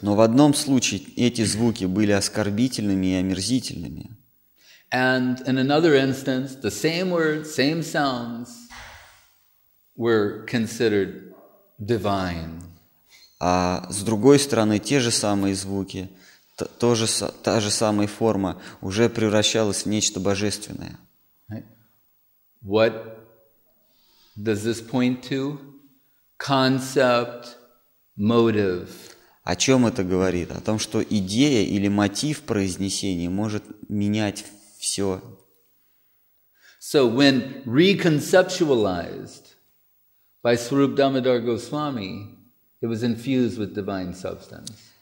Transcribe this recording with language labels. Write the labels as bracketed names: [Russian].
[Russian] Но в одном случае эти звуки были оскорбительными и омерзительными. [English] And in another instance, the same words, same sounds were considered divine. [Russian] А с другой стороны, те же самые звуки, та же самая форма уже превращалась в нечто божественное. [English] What does this point to? Concept, motive. [Russian] О чем это говорит? О том, что идея или мотив произнесения может менять все. [English] So when reconceptualized by Swarup Damodar Goswami, it was infused with divine substance.